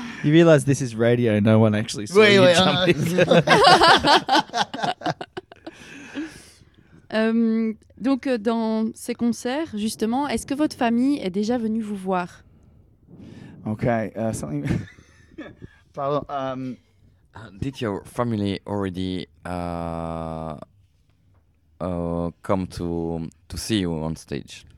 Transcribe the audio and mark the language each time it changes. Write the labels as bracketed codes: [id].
[en] You realize this is radio, no one actually saw you jump in. [fr] Donc, dans ces concerts, justement, est-ce que votre famille est déjà venue vous voir? [en] Ok, something. Pardon. Did your family already come to see you on stage?